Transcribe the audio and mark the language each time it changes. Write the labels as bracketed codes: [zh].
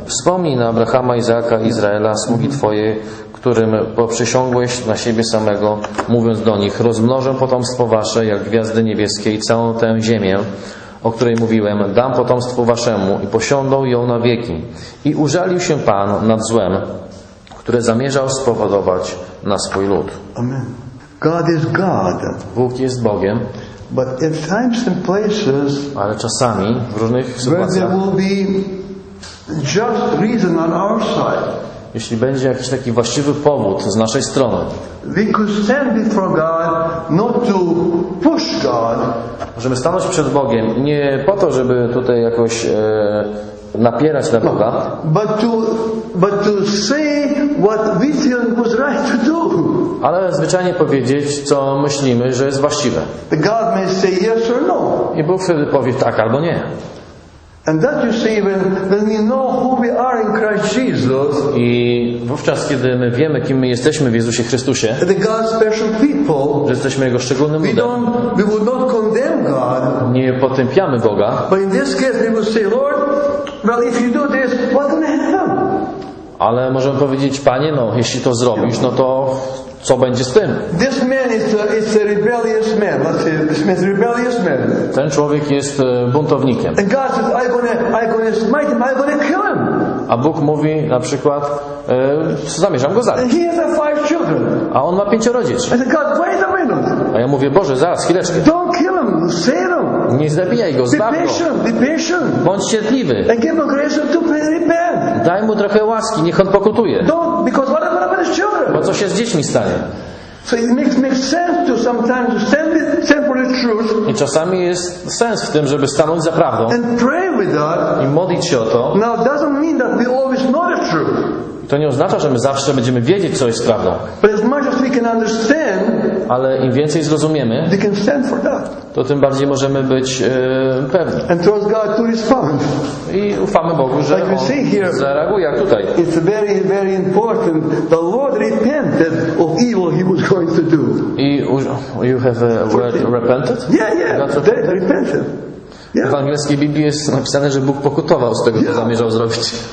[pl] Wspomnij na Abrahama, Izaaka, Izraela, sługi Twoje, którym poprzysiągłeś na siebie samego, mówiąc do nich: rozmnożę potomstwo wasze jak gwiazdy niebieskie i całą tę ziemię, o której mówiłem, dam potomstwu waszemu, i posiądą ją na wieki. I użalił się Pan nad złem, które zamierzał spowodować na swój lud. [en] Amen. God is God. [pl] Bóg jest Bogiem. [en] But in times and places, [pl] ale czasami w różnych sytuacjach, [en] will be just reason on our side. [pl] Jeśli będzie jakiś taki właściwy powód z naszej strony, [en] we could stand before God, not to push God. [pl] Możemy stanąć przed Bogiem nie po to, żeby tutaj jakoś napierać na Boga, [en] but to say what we feel was right to do. [pl] Ale zwyczajnie powiedzieć, co myślimy, że jest właściwe. [en] God may say yes or no. [pl] I Bóg wtedy powie tak albo nie. [en] And that you see when we know who we are in Christ Jesus. [pl] I wówczas, kiedy my wiemy, kim my jesteśmy w Jezusie Chrystusie, [en] the God's special people, [pl] że jesteśmy Jego szczególnym ludem, [en] we would not condemn God. [pl] Nie potępiamy Boga. [en] But in this case we would say, Lord, well, if you do this, what can happen? [pl] Ale możemy powiedzieć: Panie, no jeśli to zrobisz, no to co będzie z tym? [en] This man is a rebellious man. This man is a rebellious man. [pl] Ten człowiek jest buntownikiem. [en] And God says, I'm gonna smite him, I'm gonna kill him. [pl] A Bóg mówi na przykład: zamierzam go zabić. [en] And he has five children. [pl] A on ma pięcioro dzieci. [en] And God, wait a minute. [pl] A ja mówię: Boże, zaraz, chwileczkę. [en] Don't kill him, save him. [pl] Nie zabijaj go, zbaw go. [en] Be patient, be patient. [pl] Bądź cierpliwy. [en] And give him grace to repent. [pl] Daj mu trochę łaski, niech on pokutuje. [en] Don't, because what about his children? [pl] Bo co się z dziećmi stanie? [en] So it makes sense to sometimes stand with simple truth. [pl] I czasami jest sens w tym, żeby stanąć za prawdą. [en] And pray with that. [pl] I modlić się o to. [en] Now it doesn't mean that we always know the truth. [pl] To nie oznacza, że my zawsze będziemy wiedzieć, co jest prawdą. [en] But as much as we can understand, [pl] ale im więcej zrozumiemy, [en] we can stand for that. [pl] To tym bardziej możemy być pewni. [en] And trust God to respond. [pl] I ufamy Bogu, że [en] like [pl] On [en] see here, [pl] zareaguje jak tutaj. [en] It's very, very important. The Lord repented of evil he was going to do. I you have word repented? Yeah, yeah. They repented. [pl] W angielskiej Biblii jest napisane, że Bóg pokutował z tego, co zamierzał zrobić.